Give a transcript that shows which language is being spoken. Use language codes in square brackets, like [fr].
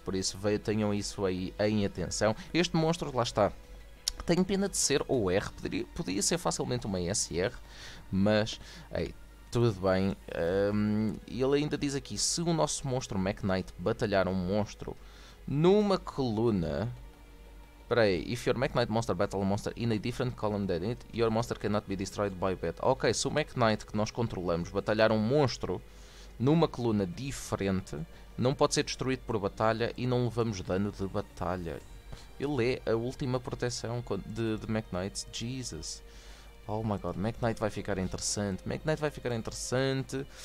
[pt] Por isso, tenham isso aí em atenção. Este monstro, lá está. Tenho pena de ser OR, podia ser facilmente uma SR, mas ei, tudo bem. Ele ainda diz aqui: se o nosso monstro Mech Knight batalhar um monstro numa coluna. Espera aí: [en] if your Mech Knight monster battle a monster in a different column than it, your monster cannot be destroyed by that. [pt] Ok, se o Mech Knight que nós controlamos batalhar um monstro numa coluna diferente, não pode ser destruído por batalha e não levamos dano de batalha. Ele é a última proteção de Mech Knight. Jesus. [en] Oh my god, [pt] Mech Knight vai ficar interessante. Mech Knight vai ficar interessante.